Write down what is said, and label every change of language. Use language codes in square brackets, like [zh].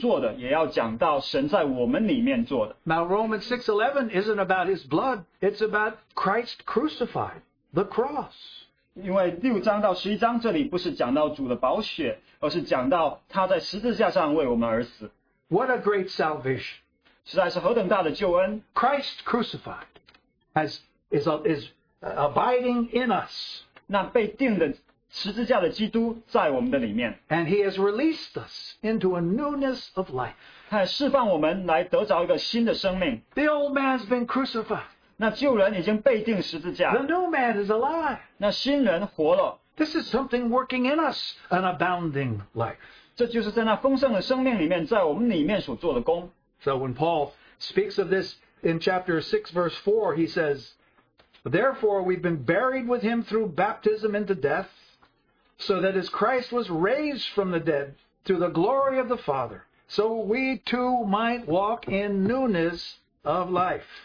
[zh] 因为保罗讲到神的义的时候,不仅讲到神为我们做的,也要讲到神在我们里面做的。 [en] Now Romans 6:11 isn't about his blood, it's about Christ crucified, the cross. [zh] 因为6章到11章这里不是讲到主的宝血,而是讲到他在十字架上为我们而死。 [en] What a great salvation. [zh] 实在是何等大的救恩。 [en] Christ crucified is abiding in us. [zh] 那被定的, [en] And he has released us into a newness of life. [zh] 他释放我们来得着一个新的生命. [en] The old man's been crucified. [zh] 那旧人已经被钉十字架. [en] The new man is alive. [zh] 那新人活了. [en] This is something working in us, an abounding life. [zh] 这就是在那丰盛的生命里面，在我们里面所做的工. [en] So when Paul speaks of this in chapter 6, verse 4, he says, Therefore we've been buried with him through baptism into death, so that as Christ was raised from the dead through the glory of the Father, so we too might walk in newness of life.